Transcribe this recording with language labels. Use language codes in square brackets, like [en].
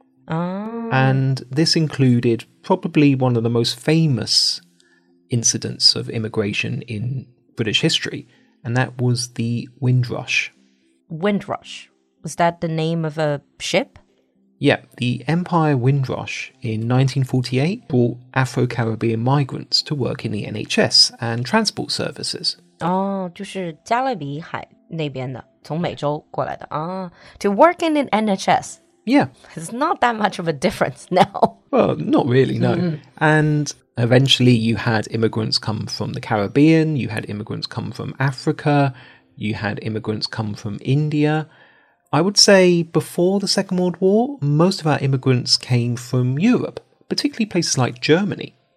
[en] And this included probably one of the most famous incidents of immigration in British history, and that was the Windrush. Windrush? Was that the name of a ship? Yeah, the Empire Windrush in 1948 brought Afro-Caribbean migrants to work in the NHS and transport services. [zh] Oh, 就是加勒比海那边的,从美洲过来的。 [en] To work in an NHS. Yeah. It's not that much of a difference now. Well, not really, no. And eventually you had immigrants come from the Caribbean, you had immigrants come from Africa, you had immigrants come from India. I would say before the Second World War, most of our immigrants came from Europe, particularly places like Germany.